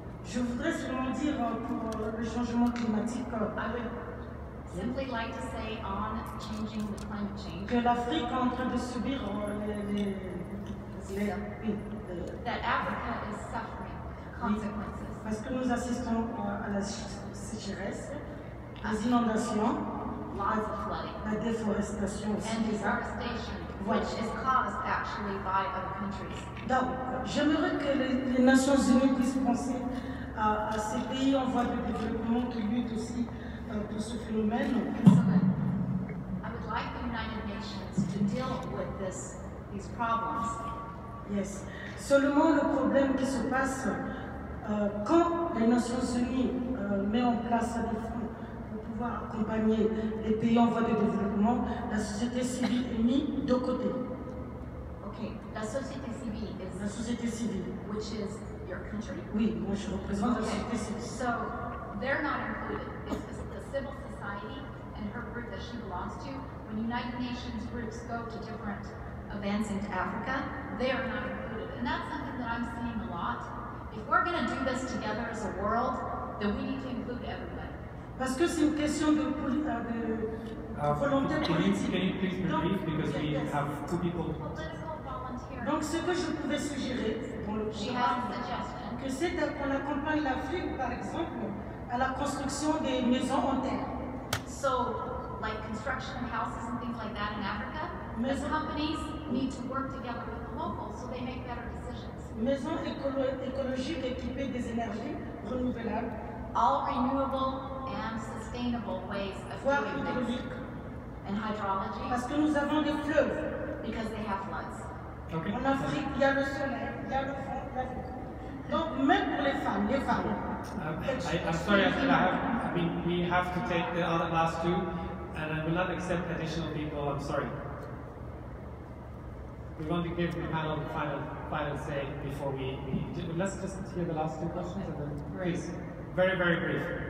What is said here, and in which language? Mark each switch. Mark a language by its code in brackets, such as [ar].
[fr] Je voudrais seulement dire pour le changement climatique. [en] I would simply like to say on changing the climate change. [fr] Que l'Afrique est en train de subir les [en] that Africa is suffering consequences. [fr] Parce que nous assistons à la sécheresse, aux inondations, [en] lots of flooding, [fr] la déforestation aussi. [en] And deforestation, which is caused actually by other countries. [fr] Donc, j'aimerais que les Nations Unies puissent penser à ces pays en voie de développement qui luttent aussi pour ce phénomène. [en] So I would like the United Nations to deal with these problems. Yes. [fr] Seulement le problème qui se passe quand les Nations Unies met en place des fonds pour pouvoir accompagner les pays en voie de développement, la société civile est mise de côté. Okay. La société civile est. La société civile. [en] Which is your country? [fr] Oui, moi je représente la société civile. [en] So, they're not included. It's the civil society and her group that she belongs to. When United Nations groups go to different events into Africa, they are not included. And that's something that I'm seeing a lot. If we're going to do this together as a world, then we need to include everybody. [fr] Parce que c'est une question de volonté politique. [en] Can you please brief? Because yeah, we yes. have two people. [fr] Donc ce que je pouvais suggérer, c'est qu'on accompagne l'Afrique, par exemple, à la construction des maisons en terre. [en] So, like construction of houses and things like that in Africa, mais the companies need to work together with the locals so they make better decisions. [fr] Maisons écologiques équipées des énergies renouvelables. [en] All renewable and sustainable ways of doing things. And hydrology. [fr] Parce que nous avons des fleuves. [en] Because they have floods. Okay. [fr] En Afrique, il y a le soleil, il y a le fond, il y a le fond. Donc, même pour les femmes. [en] I'm sorry, we have to take the other last two, and I will not accept additional people, I'm sorry. We want to give the panel the final say before let's just hear the last two questions, and then please, very, very brief.